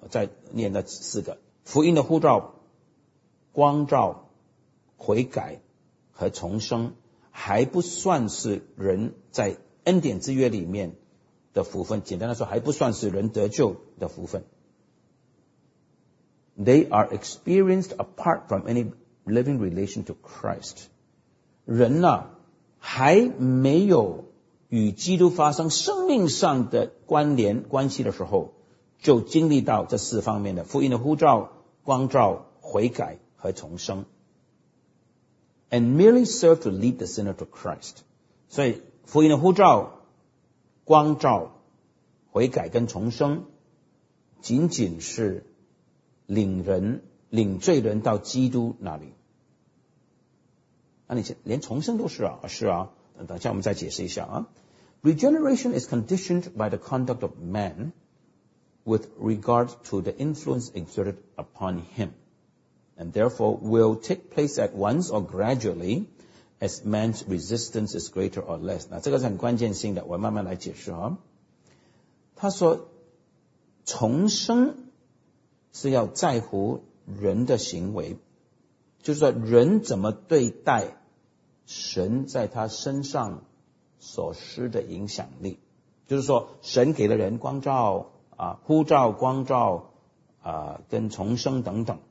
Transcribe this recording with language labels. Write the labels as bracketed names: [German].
[Chinese] 再念那四个，福音的护照光照悔改和重生还不算是人在恩典之约里面的福分，简单的说还不算是人得救的福分。 [English] They are experienced apart from any living relation to Christ。 [Chinese] 人呢、啊、还没有与基督发生生命上的关联关系的时候就经历到这四方面的福音的呼召光照悔改和重生。 [English] And merely serve to lead the sinner to Christ。 [Chinese] 所以福音的呼召光照悔改跟重生仅仅是领人领罪人到基督那里。那你连重生都是啊，是啊，等一下我们再解释一下啊。 [English] Regeneration is conditioned by the conduct of man with regard to the influence exerted upon him, and therefore will take place at once or gradually as man's resistance is greater or less. [Chinese] 那这个是很关键性的，我慢慢来解释哈。他说，重生是要在乎人的行为，就是说人怎么对待神在他身上所施的影响力，就是说神给了人光照啊、呼召光照啊、跟重生等等。